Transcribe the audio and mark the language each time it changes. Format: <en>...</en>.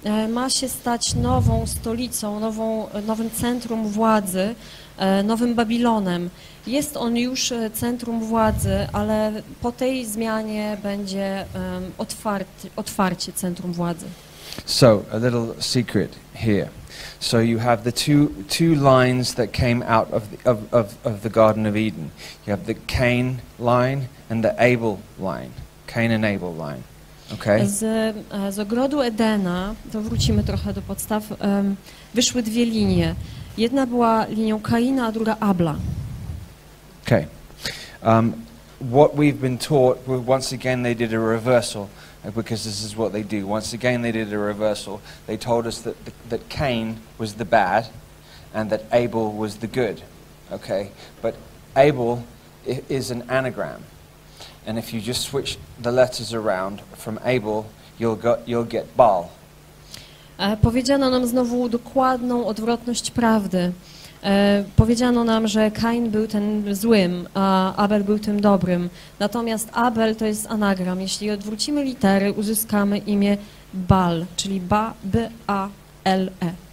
<pl>ma się stać nową stolicą, nowym centrum władzy, nowym Babilonem. Jest on już centrum władzy, ale po tej zmianie będzie otwarcie centrum władzy.</pl> <en>So, a little secret here. So you have the two lines that came out of the Garden of Eden. You have the Cain line and the Abel line. Cain and Abel line. Okay.</en> <pl>Z ogrodu Edena, to wrócimy trochę do podstaw, wyszły dwie linie. Jedna była linią Kaina, a druga Abla.</pl> <en>Okay. What we've been taught, well, once again they did a reversal, because this is what they do. Once again they did a reversal. They told us that Cain was the bad and that Abel was the good. Okay. But Abel is an anagram. And if you just switch the letters around from Abel, you'll get Baal.</en> <pl>Powiedziano nam znowu dokładną odwrotność prawdy. Powiedziano nam, że Kain był ten złym, a Abel był tym dobrym. Natomiast Abel to jest anagram. Jeśli odwrócimy litery, uzyskamy imię Baal, czyli B-A-L-E.</pl>